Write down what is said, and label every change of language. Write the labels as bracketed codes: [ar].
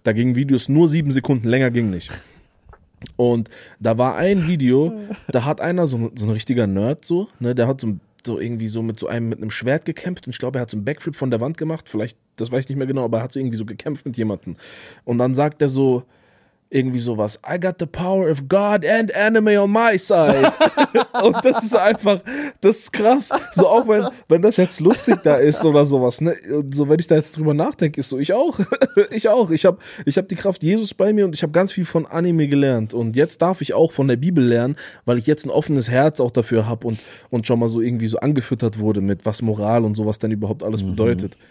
[de] Da gingen Videos nur 7 Sekunden, länger ging nicht. Und da war ein Video, da hat einer, so ein richtiger Nerd so, ne, der hat so irgendwie so mit einem Schwert gekämpft und ich glaube, er hat so einen Backflip von der Wand gemacht. Vielleicht, das weiß ich nicht mehr genau, aber er hat so irgendwie so gekämpft mit jemandem. Und dann sagt er so, irgendwie sowas. [en] I got the power of God and anime on my side. [de] Und das ist einfach, das ist krass. So auch wenn das jetzt lustig da ist oder sowas. Ne? So wenn ich da jetzt drüber nachdenke, ist so, ich auch. Ich hab die Kraft Jesus bei mir und ich habe ganz viel von Anime gelernt. Und jetzt darf ich auch von der Bibel lernen, weil ich jetzt ein offenes Herz auch dafür habe und schon mal so irgendwie so angefüttert wurde mit was Moral und sowas denn überhaupt alles bedeutet.